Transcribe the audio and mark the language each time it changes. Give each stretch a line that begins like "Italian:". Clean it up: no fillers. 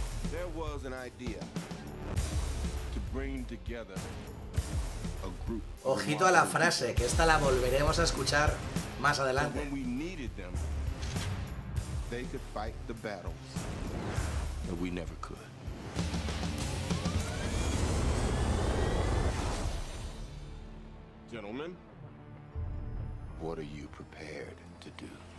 English: There was an idea to bring together a group.
Spanish: Ojito a la frase, que esta la volveremos a escuchar más adelante.
English: When we needed them, they could fight the battles that we never could. Gentlemen, what are you prepared to do?